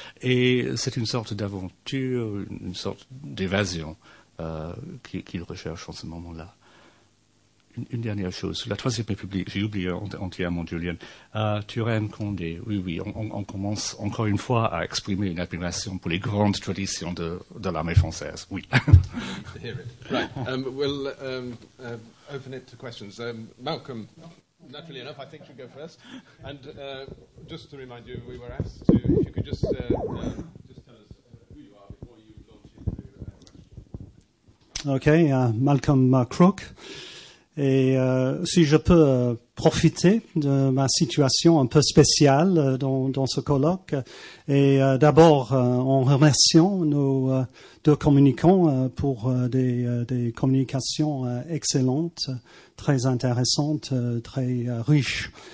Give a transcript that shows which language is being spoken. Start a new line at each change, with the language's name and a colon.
French: Et c'est une sorte d'aventure, une sorte d'évasion qu'ils recherchent en ce moment-là. Une dernière chose, la Troisième République, j'ai oublié entièrement, Julien. Turenne-Condé, oui, on commence encore une fois à exprimer une admiration pour les grandes traditions de l'armée française, oui.
English: Right, we'll open it to questions. Malcolm, naturally enough, I think you go first. And just to remind you, we were asked to, if you could just tell us who you are before you launch into question. Okay, Malcolm Crook.
French: Et si je peux profiter de ma situation un peu spéciale dans ce colloque, et d'abord en remerciant nos deux communicants pour des communications excellentes, très intéressantes, très riches.